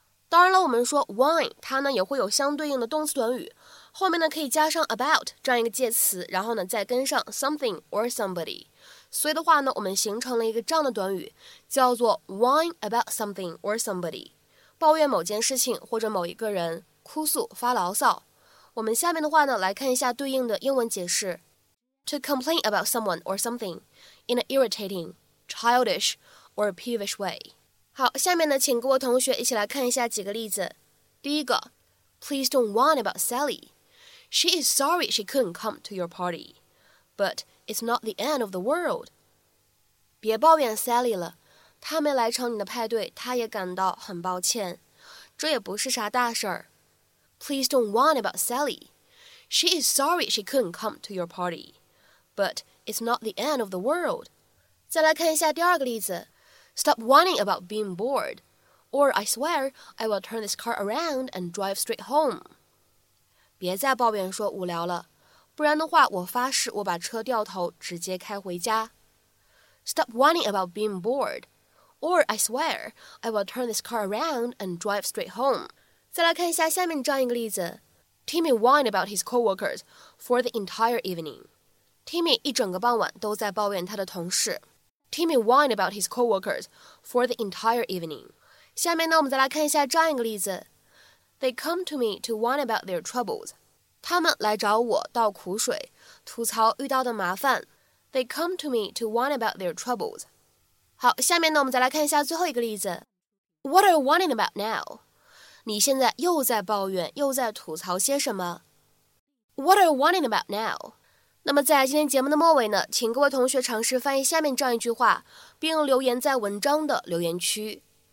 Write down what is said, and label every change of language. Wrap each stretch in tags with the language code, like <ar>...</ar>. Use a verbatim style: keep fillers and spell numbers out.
<zh>当然了，我们说 whine， 它呢也会有相对应的动词短语，后面呢可以加上 about 这样一个介词，然后呢再跟上</zh> <en>something or somebody。</en> <zh>所以的话呢，我们形成了一个这样的短语，叫做</zh> <en>whine about something or somebody，</en> <zh>抱怨某件事情或者某一个人。哭诉发牢骚。我们下面的话呢，来看一下对应的英文解释。 To complain about someone or something in an irritating, childish, or peevish way. 好，下面呢，请各位同学一起来看一下几个例子。第一个</zh> <en>，Please don't whine about Sally. She is sorry she couldn't come to your party, but it's not the end of the world.</en> <zh>别抱怨 Sally 了，她没来成你的派对，她也感到很抱歉，这也不是啥大事儿。</zh> <en>Please don't whine about Sally. She is sorry she couldn't come to your party, but it's not the end of the world.</en> <zh>再来看一下第二个例子</zh> <en>Stop whining about being bored, or I swear I will turn this car around and drive straight home.</en> <zh>别再抱怨说无聊了，不然的话我发誓我把车掉头直接开回家。</zh> <en>Stop whining about being bored, or I swear I will turn this car around and drive straight home.</en> <zh>再来看一下下面这样一个例子</zh> <en>Timmy whined about his coworkers for the entire evening.</en> <zh>Timmy 一整个傍晚都在抱怨他的同事。</zh> <en>Timmy whined about his coworkers for the entire evening.</en> <zh>下面呢，我们再来看一下这样一个例子</zh> <en>They come to me to whine about their troubles.</en> <zh>他们来找我倒苦水，吐槽遇到的麻烦。</zh> <en>They come to me to whine about their troubles.</en> <zh>好，下面呢，我们再来看一下最后一个例子</zh> <en>What are you whining about now?</en> <zh>你现在又在抱怨，又在吐槽些什么 ？</zh> <en>What are you whining about now？</en> <zh>那么在今天节目的末尾呢，请各位同学尝试翻译下面这样一句话，并留言在文章的留言区。</zh>